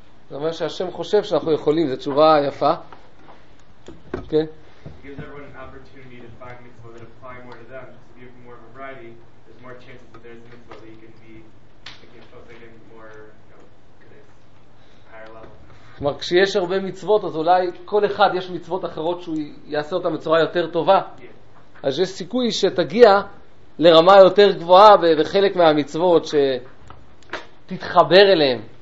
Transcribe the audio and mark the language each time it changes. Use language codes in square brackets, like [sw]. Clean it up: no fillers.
[he] זה אומר שהשם חושב שאנחנו יכולים, זו תשובה יפה. כן? [en] Gives everyone an opportunity to find mitzvah that apply more to them. Just to give more variety, there's more chances that there's mitzvah that you can be, like, something more, you know, higher level. [he] כלומר, כשיש הרבה מצוות, אז אולי כל אחד יש מצוות אחרות שהוא יעשה אותן בצורה יותר טובה. אז יש סיכוי שתגיע לרמה יותר גבוהה בחלק מהמצוות שתתחבר אליהם.